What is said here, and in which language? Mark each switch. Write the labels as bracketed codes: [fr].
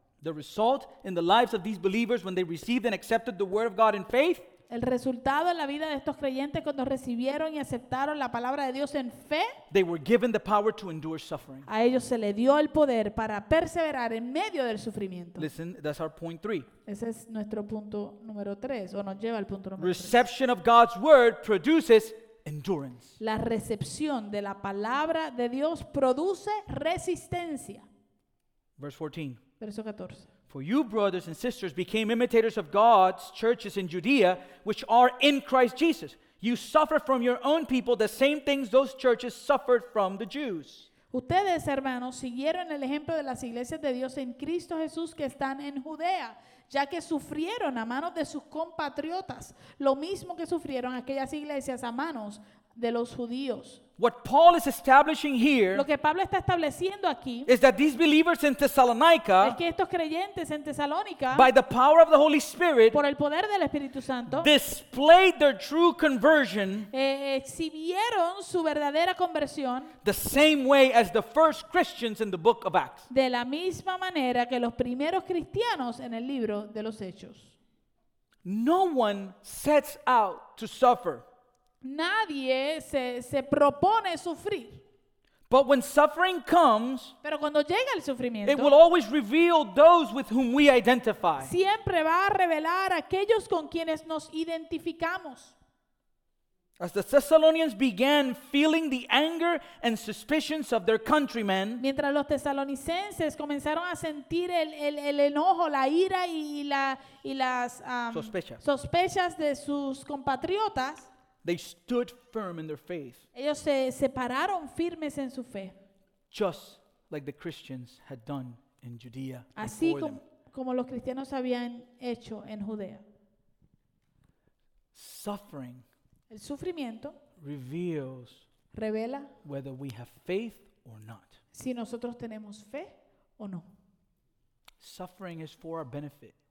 [en] The result in the lives of these believers when they received and accepted the word of God in faith. [es] El resultado en la vida de estos creyentes cuando recibieron y aceptaron la palabra de Dios en fe. [en] They were given the power to endure suffering. [es] A ellos se le dio el poder para perseverar en medio del sufrimiento. [en] Listen, that's our point three. [es] Ese es nuestro punto número tres, o nos lleva al punto número [en] reception [es] tres. [en] Of God's word produces endurance. [es] La recepción de la palabra de Dios produce resistencia. [en] Verse 14. [es] Verso 14. [en] For you, brothers and sisters, became imitators of God's churches in Judea, which are in Christ Jesus. You suffer from your own people the same things those churches suffered from the Jews. [es] Ustedes, hermanos, siguieron el ejemplo de las iglesias de Dios en Cristo Jesús que están en Judea, ya que sufrieron a manos de sus compatriotas lo mismo que sufrieron aquellas iglesias a manos de los judíos. [en] What Paul is establishing here, [es] lo que Pablo está estableciendo aquí, [en] is that these believers in Thessalonica, [es] es que estos creyentes en Tesalónica, [en] by the power of the Holy Spirit, [es] por el poder del Espíritu Santo, [en] displayed their true conversion, [es] exhibieron su verdadera conversión, [en] the same way as the first Christians in the book of Acts. [es] De la misma manera que los primeros cristianos en el libro de los Hechos. [en] No one sets out to suffer. [es] Nadie se propone sufrir. [en] But when suffering comes, [es] pero cuando llega el sufrimiento, [en] it will always reveal those with whom we identify. [es] Siempre va a revelar aquellos con quienes nos identificamos. [en] As the Thessalonians began feeling the anger and suspicions of their countrymen, [es] mientras los tesalonicenses comenzaron a sentir el enojo, la ira y las sospechas de sus compatriotas. [en] They stood firm in their faith. [es] Ellos se separaron firmes en su fe. [en] Just like the Christians had done in Judea. [es] Así como los cristianos habían hecho en Judea. [en] Suffering. [es] El sufrimiento [en] reveals [es] revela [en] whether we have faith or not. [es] Si nosotros tenemos fe o no. [en] Suffering is for our benefit.